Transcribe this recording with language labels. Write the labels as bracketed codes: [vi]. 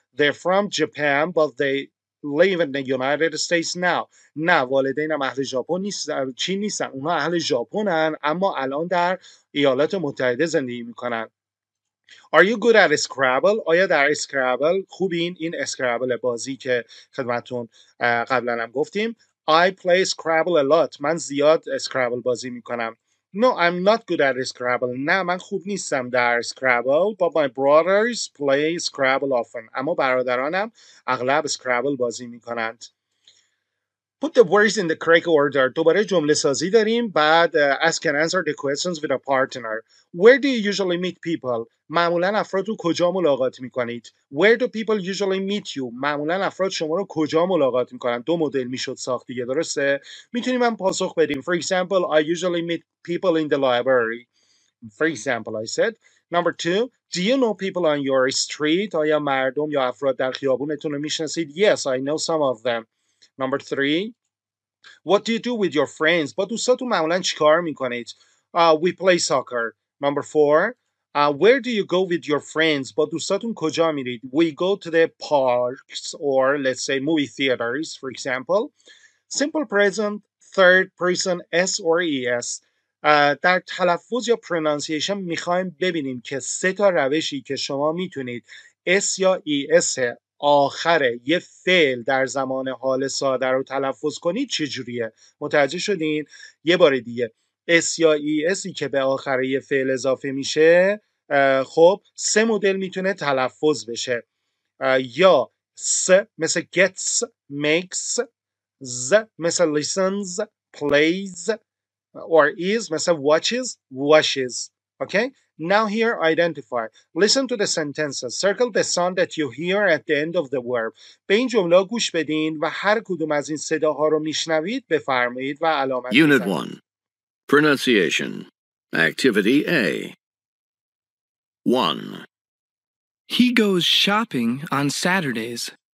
[en] They're from Japan, but they live in the United States now. [fa] نه والدینم اهل ژاپن نیستن، چین نیستن. اونا اهل ژاپنن اما الان در ایالات متحده زندگی میکنن. [en] Are you good at Scrabble? [fa] آیا در Scrabble خوبین؟ این Scrabble بازی که خدمتون قبلا هم گفتیم. [en] I play Scrabble a lot. [fa] من زیاد Scrabble بازی میکنم. [en] No, I'm not good at Scrabble. [fa] نه من خوب نیستم در Scrabble. [en] But my brothers play Scrabble often. [fa] اما برادرانم اغلب Scrabble بازی میکنند. [en] Put the words in the correct order. [fa] دوباره جمله سازی داریم. بعد [en] ask and answer the questions with a partner. Where do you usually meet people? [fa] معمولاً افراد رو کجا ملاقات میکنید؟ [en] Where do people usually meet you? [fa] معمولاً افراد شما رو کجا ملاقات میکنند؟ دو مدل میشد ساخت دیگه، درسته؟ میتونیم هم پاسخ بدیم. [en] For example, I usually meet people in the library. For example, I said. Number two, do you know people on your street? [fa] آیا مردم یا افراد در خیابونتون رو میشناسید؟ [en] Yes, I know some of them. Number three, what do you do with your friends? [fa] با دوستاتون معمولاً چیکار میکنید؟ [en] We play soccer. Number four, where do you go with your friends? [fa] با دوستاتون کجا میرید؟ [en] We go to the parks or let's say movie theaters, for example. Simple present, third person, S or ES. [fa] در تلفظ یا pronunciation میخوایم ببینیم که سه تا روشی که شما میتونید S یا ES آخر یه فعل در زمان حال ساده رو تلفظ کنید چجوریه؟ متوجه شدین؟ یه بار دیگه. S یا ESی که به آخر یه فعل اضافه میشه، خب سه مدل میتونه تلفظ بشه. یا [en] S مثل gets, makes, Z مثل listens, plays, or is مثل watches, washes. Okay? Now here, identify. Listen to the sentences. Circle the sound that you hear at the end of the verb. [fa] به این جمله گوش بدین و هر کدوم از این صداها رو میشنوید بفرمایید و علامت بزنید. [en] Unit 1. Pronunciation. Activity A. 1. He goes shopping on Saturdays.